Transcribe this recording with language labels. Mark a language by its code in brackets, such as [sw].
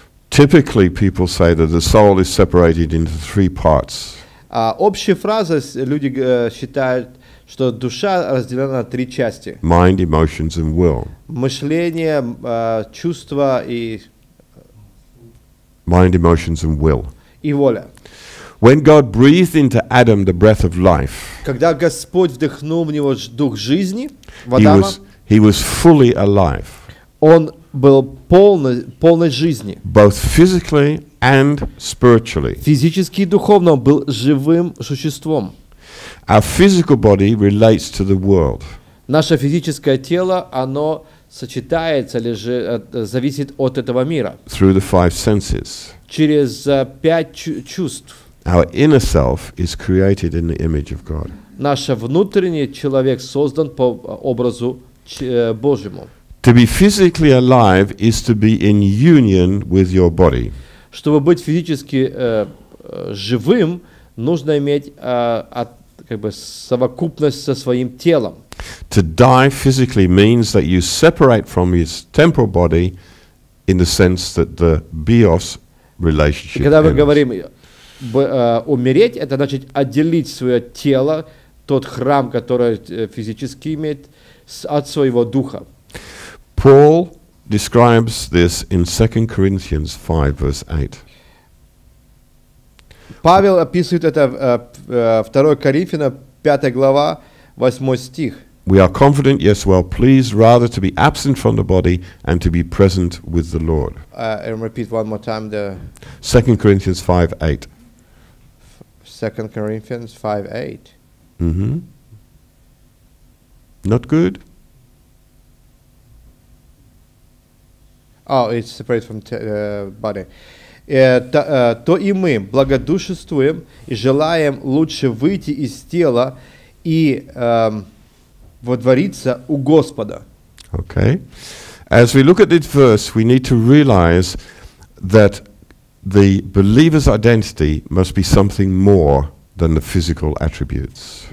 [en] Typically, people say that the soul is separated into three parts. [ru] Общая фраза, люди считают, что душа разделена на три части. [en] Mind, emotions, and will. [ru] Мышление, чувства и... [en] Mind, emotions, and will. [ru] И воля. [en] When God breathed into Adam the breath of life, [ru] когда Господь вдохнул в него дух жизни, в [en] Адама, he was fully alive. [ru] Он был полной жизни. [en] Both physically and spiritually. [ru] Физически и духовно он был живым существом. [en] Our physical body relates to the world. [ru] Наше физическое тело, оно сочетается или же зависит от этого мира. [en] Through the five senses. [ru] Через пять чувств. [en] Our inner self is created in the image of God. [ru] Наш внутренний человек создан по образу Божьему. [en] To be physically alive is to be in union with your body. [ru] Чтобы быть физически живым, нужно иметь как бы совокупность со своим телом. [en] To die physically means that you separate from his temporal body in the sense that the bios relationship. [ru] Когда мы говорим умереть, это значит отделить свое тело, тот храм, который физически имеет, от своего духа. [en] Paul describes this in 2 Corinthians 5, verse 8. [ru] Павел описывает это в 2 Коринфянам 5 глава 8 стих. [en] We are confident, yes, well pleased, rather to be absent from the body and to be present with the Lord. And repeat one more time the 2 Corinthians 5, 8. 2 Corinthians 5, 8. Mm-hmm. Not good. Oh, it's separate from body. [ru] То и мы благодушествуем и желаем лучше выйти из тела и водвориться у Господа. [en] Okay. As we look at this verse, we need to realize that the believer's identity must be something more than the physical attributes.